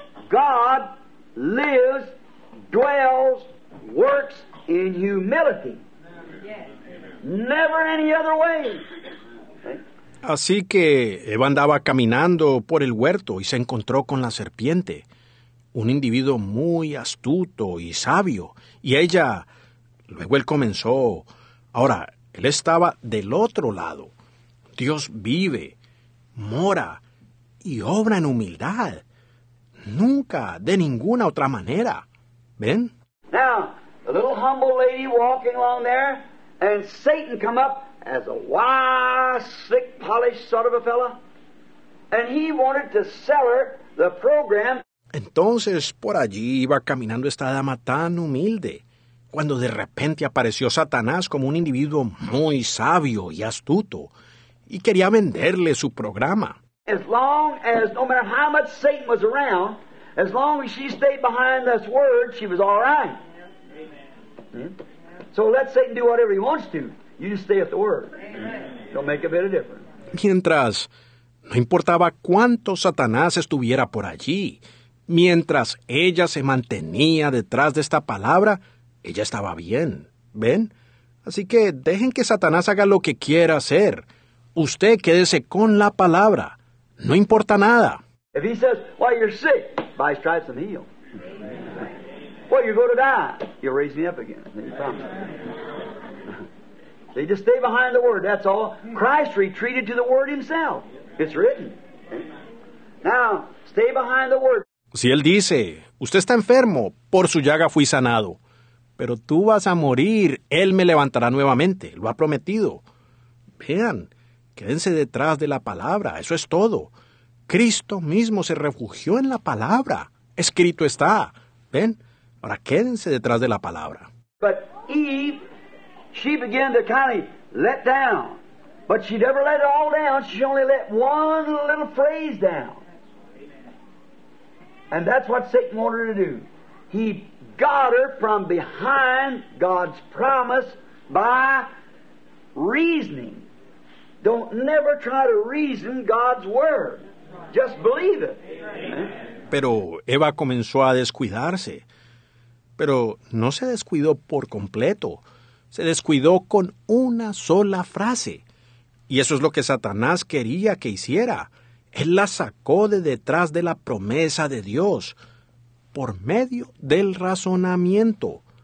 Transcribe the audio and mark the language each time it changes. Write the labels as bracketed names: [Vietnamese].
[English] God lives, dwells, works in humility. Never any other way. [Spanish] Así que Eva andaba caminando por el huerto y se encontró con la serpiente, un individuo muy astuto y sabio. Y ella, luego él comenzó. Ahora, él estaba del otro lado. Dios vive, mora y obra en humildad. Nunca de ninguna otra manera. ¿Ven? [English] Now, a little humble lady walking along there, and Satan come up as a wise, slick, polished sort of a fella, and he wanted to sell her the program. [Spanish] Entonces, por allí iba caminando esta dama tan humilde, cuando de repente apareció Satanás como un individuo muy sabio y astuto, y quería venderle su programa. [English] As long as, no matter how much Satan was around, as long as she stayed behind this word, she was all right. Amen. So let Satan do whatever he wants to. You just stay at the word. Amen. Don't make a bit of difference. [Spanish] Mientras, no importaba cuánto Satanás estuviera por allí, mientras ella se mantenía detrás de esta palabra, ella estaba bien. ¿Ven? Así que dejen que Satanás haga lo que quiera hacer. Usted quédese con la palabra. No importa nada. [English] If he says, "Why you're sick, by his stripes I'm healed." "Well, you go to die, you'll raise me up again." You promise. They just stay behind the word, that's all. Christ retreated to the word himself. It's written. Now, stay behind the word. [Spanish] Si él dice, usted está enfermo, por su llaga fui sanado, pero tú vas a morir, él me levantará nuevamente, lo ha prometido. Vean, quédense detrás de la palabra, eso es todo. Cristo mismo se refugió en la palabra, escrito está. Ven, ahora quédense detrás de la palabra. [English] But Eve, she began to kind of let down, but she never let it all down, she only let one little phrase down. And that's what Satan wanted her to do. He got her from behind God's promise by reasoning. Don't never try to reason God's word. Just believe it. [Spanish] Pero Eva comenzó a descuidarse. Pero no se descuidó por completo. Se descuidó con una sola frase. Y eso es lo que Satanás quería que hiciera. Él la sacó de detrás de la promesa de Dios, por medio del razonamiento.